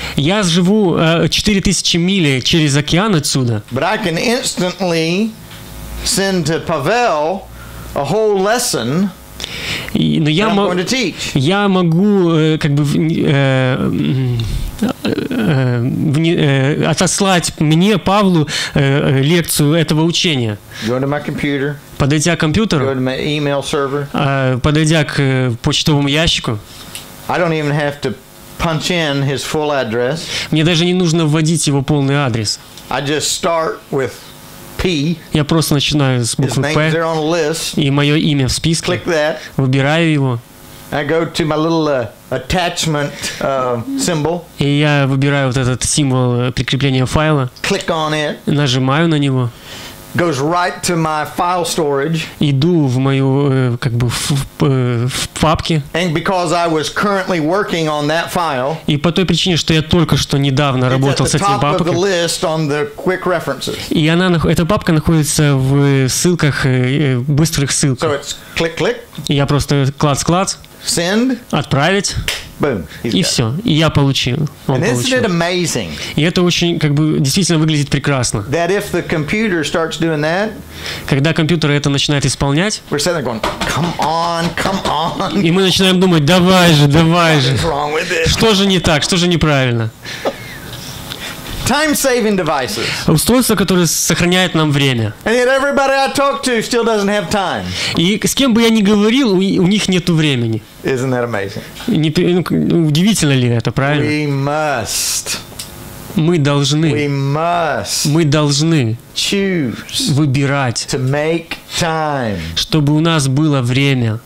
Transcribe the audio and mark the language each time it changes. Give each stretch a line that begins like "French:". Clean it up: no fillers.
Russian: Я живу 4,000 миль через океан отсюда.
English: But I can instantly send to Pavel a whole lesson.
Russian: Но я могу отослать мне, Павлу, лекцию этого учения.
English: Go to my computer.
Russian: Подойдя к компьютеру.
English: Go to my email server.
Russian: Подойдя к почтовому ящику.
English: I don't even have to punch in his full address.
Russian: Мне даже не нужно вводить его полный адрес.
English: I just start with P.
Russian: Я просто начинаю с буквы P, и мое имя в списке.
English: Click that.
Russian: Выбираю его.
English: I go to my little attachment symbol.
Russian: И я выбираю вот этот символ прикрепления файла.
English: Click on it.
Russian: Нажимаю на него.
English: Goes right to my file storage.
Russian: Иду в мою в папке.
English: And because I was currently working on that file.
Russian: И по той причине, что я только что недавно работал с этим папкой.
English: It's at the top of the list on the quick references.
Russian: И эта папка находится в ссылках быстрых ссылках.
English: So it's click click.
Russian: Я просто клац клац.
English: Send.
Russian: Отправить.
English: Boom.
Russian: И все. И я получил.
English: And isn't it amazing?
Russian: И это очень, как бы, действительно выглядит прекрасно.
English: That if the computer starts doing that,
Russian: когда компьютер это начинает исполнять,
English: we're sitting there going, come on, come on.
Russian: И мы начинаем думать, давай же, давай же. Что же не так, что же неправильно?
English: Time-saving devices.
Russian: Устройство, которое сохраняет нам время.
English: And yet everybody I talk to still doesn't have time.
Russian: И с кем бы я ни говорил, у них нету времени.
English: Isn't that amazing?
Russian: Удивительно ли это, правильно?
English: We must.
Russian: Мы должны.
English: We must.
Russian: Мы должны.
English: Choose.
Russian: Выбирать.
English: To make time.
Russian: Чтобы у нас было время.